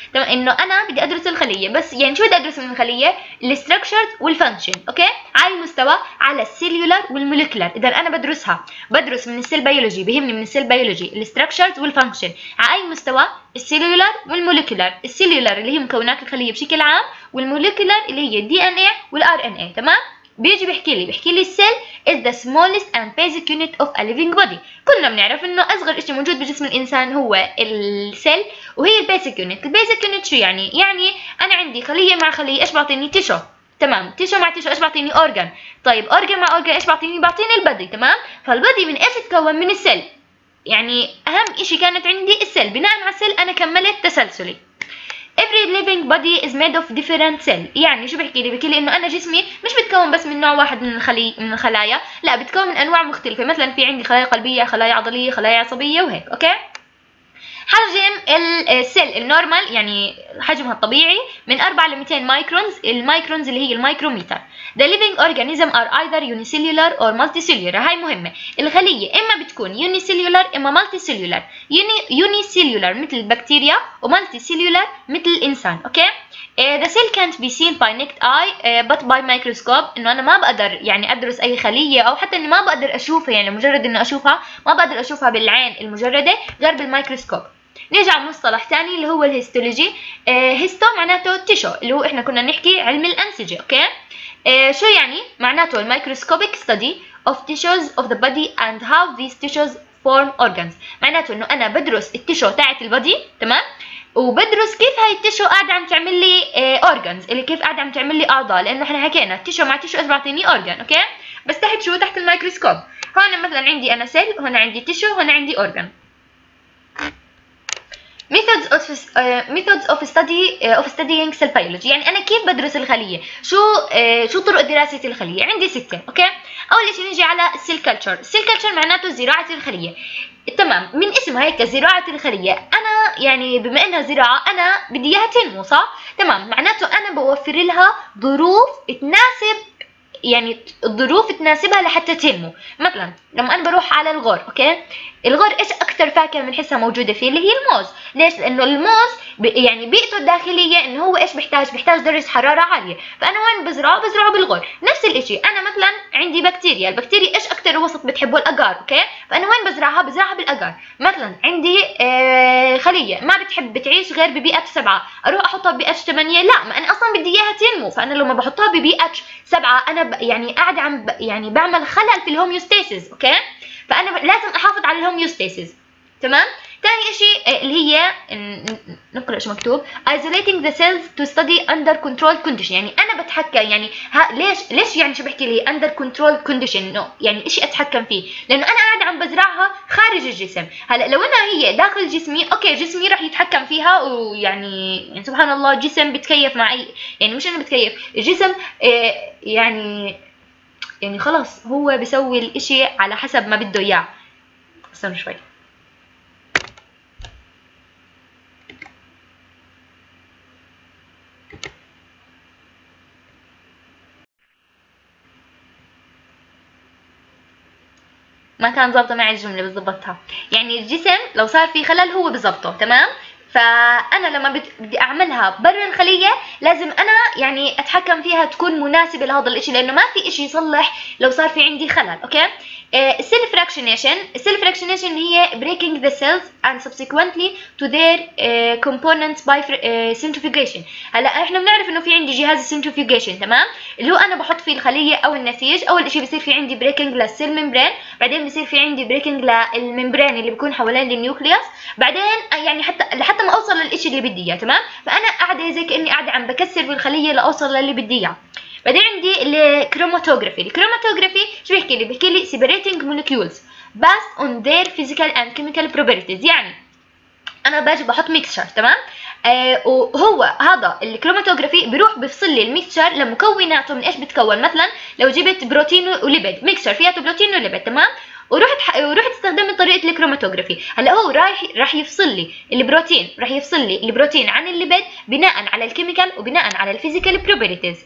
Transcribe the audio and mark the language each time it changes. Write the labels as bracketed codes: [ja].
[ar] تمام، إنه أنا بدي أدرس الخلية، بس يعني شو بدي أدرس من الخلية؟ الـ Structures والـ Function. أوكي؟ على المستوى على السيلولار والموليكولار. إذا أنا بدرسها، بدرس من السيل بيولوجي، بهمني من السيل بيولوجي الـ Structures والـ Function. على أي مستوى؟ السيلولار والموليكولار. السيلولار اللي هي مكونات الخلية بشكل عام، والموليكولار اللي هي DNA والRNA. تمام؟ بيجي بحكي لي السيل [en] is the smallest and basic unit of a living body. [ar] كلنا بنعرف انه اصغر اشي موجود بجسم الانسان هو السيل، وهي البيسك يونت. البيسك يونت شو يعني؟ يعني انا عندي خليه مع خليه، ايش بعطيني؟ تيشو. تمام، تيشو مع تيشو ايش بعطيني؟ اورجان. طيب اورجان مع اورجان ايش بعطيني؟ بعطيني البدي. تمام، فالبدي من ايش تكون؟ من السيل. يعني اهم اشي كانت عندي السيل، بناء على السيل انا كملت تسلسلي. [en] Every living body is made of different cell. [ar] يعني شو بحكي لي؟ بحكي لي انه انا جسمي مش بتكون بس من نوع واحد من الخلايا، لا، بتكون من انواع مختلفه. مثلا في عندي خلايا قلبيه، خلايا عضليه، خلايا عصبيه وهيك. اوكي، حجم السيل النورمال يعني حجمها الطبيعي من 4 ل 200 مايكرونز. المايكرونز اللي هي المايكرومتر. [en] The living organism are either unicellular or multicellular. [ar] هاي مهمة. الخلية إما بتكون unicellular إما multicellular. unicellular مثل البكتيريا، وmulticellular مثل الإنسان. أوكي؟ [en] The cell can't be seen by naked eye but by microscope. [ar] إنه أنا ما بقدر يعني أدرس أي خلية، أو حتى إني ما بقدر أشوفها، يعني مجرد إني أشوفها ما بقدر أشوفها بالعين المجردة غير بالمايكروسكوب. نيجي على مصطلح تاني اللي هو الهيستولوجي. هيستو معناته تيشو، اللي هو إحنا كنا نحكي علم الأنسجة. أوكي؟ شو يعني؟ معناته [en] الميكروسكوبيك study of tissues of the body and how this tissues form organs. [ar] معناته انه انا بدرس التيشو تاعت البودي، تمام، وبدرس كيف هاي التيشو قاعده عم تعمل لي اورجانز، اللي كيف قاعده عم تعمل لي اعضاء، لانه احنا حكينا التيشو مع تيشو بتعطيني اورجان. اوكي، بس تحت شو؟ تحت الميكروسكوب. هون مثلا عندي انا سيل، هون عندي تيشو، هون عندي اورجان. [en] methods of studying cell biology. [ar] يعني انا كيف بدرس الخليه؟ شو طرق دراسه الخليه؟ عندي سته. اوكي، اول شيء نجي على cell culture. cell culture معناته زراعه الخليه. تمام، من اسمها هيك زراعه الخليه، انا يعني بما انها زراعه انا بدي اياها تنمو، صح؟ تمام، معناته انا بوفر لها ظروف تناسب، يعني الظروف تناسبها لحتى تنمو. مثلا لما انا بروح على الغور، اوكي، الغور ايش اكثر فاكهه بنحسها موجوده فيه؟ اللي هي الموز. ليش؟ لانه الموز يعني بيئته الداخليه انه هو ايش بحتاج؟ بحتاج درجه حراره عاليه. فانا وين بزرعه؟ بزرعه بالغور. نفس الاشي انا مثلا عندي بكتيريا، البكتيريا ايش اكثر وسط بتحبه؟ الاجار. اوكي، فانا وين بزرعها؟ بزرعها بالاجار. مثلا عندي خليه ما بتحب بتعيش غير ببيئه 7، اروح احطها ببيئه 8؟ لا، ما انا اصلا بدي اياها تنمو. فانا لما بحطها ببيئه 7 انا يعني قاعده عم يعني بعمل خلل في الهوميوستاسيس. اوكي، فانا لازم احافظ على الهوميوستاسيس. تمام، ثاني شيء اللي هي نقرا ايش مكتوب. [en] isolating the cells to study under controlled condition. [ar] يعني انا بتحكم، يعني ليش يعني شو بحكي لي [en] under controlled condition؟ [ar] يعني ايش اتحكم فيه؟ لانه انا قاعد عم بزرعها خارج الجسم. هلا لو انها هي داخل جسمي، اوكي، جسمي راح يتحكم فيها، ويعني سبحان الله جسم بتكيف مع اي، يعني مش انا بتكيف، الجسم يعني خلاص هو بسوي الاشي على حسب ما بده اياه. استنوا شوي. ما كان ظبطه معي الجمله، بظبطها. يعني الجسم لو صار في خلل هو بظبطه. تمام، فانا لما بدي اعملها برا الخليه لازم انا يعني اتحكم فيها تكون مناسبه لهذا الشيء، لانه ما في شيء يصلح لو صار في عندي خلل. اوكي، السيل فراكشنيشن. السيل فراكشنيشن هي [en] breaking the cells and subsequently to their components by centrifugation. [ar] هلا احنا بنعرف انه في عندي جهاز centrifugation، تمام، اللي هو انا بحط فيه الخليه او النسيج. اول شيء بصير في عندي breaking للسيل ميمبرين، بعدين بصير في عندي breaking للميمبرين اللي بيكون حوالين النيوكليوس، بعدين يعني لحتى ما اوصل للشيء اللي بدي اياه. تمام، فانا قاعده زي كاني قاعده عم بكسر بالخليه لاوصل للي بدي اياه. بعدين عندي الكروماتوغرافي. الكروماتوغرافي شو بيحكي لي؟ بيحكي لي [en] separating molecules based on their physical and chemical properties. [ar] يعني انا باجي بحط ميكسشر، تمام، وهو هذا الكروماتوغرافي بيروح بيفصل لي الميكسشر لمكوناته، من ايش بتكون. مثلا لو جبت بروتين وليبيد، ميكسشر فيها بروتين وليبيد، تمام، ورحت استخدمت طريقه الكروماتوجرافي. هلا هو راح يفصل لي البروتين، راح يفصل لي البروتين عن الليبيد بناء على الكيميكال وبناء على الفيزيكال بروبريتيز.